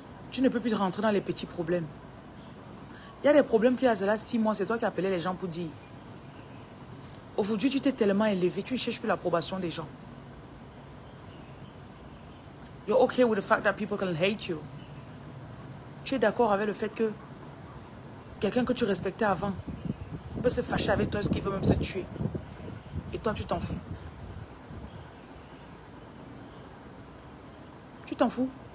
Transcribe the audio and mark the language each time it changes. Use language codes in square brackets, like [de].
[fr] Tu ne peux plus rentrer dans les petits problèmes. Il y a des problèmes qui y a là 6 mois, c'est toi qui appelais les gens pour dire. Aujourd'hui, tu t'es tellement élevé, tu ne cherches plus l'approbation des gens. [en] You're okay with the fact that people can hate you. [fr] Tu es d'accord avec le fait que quelqu'un que tu respectais avant peut se fâcher avec toi parce qu'il veut même se tuer. Et toi, tu t'en fous. Tu t'en fous.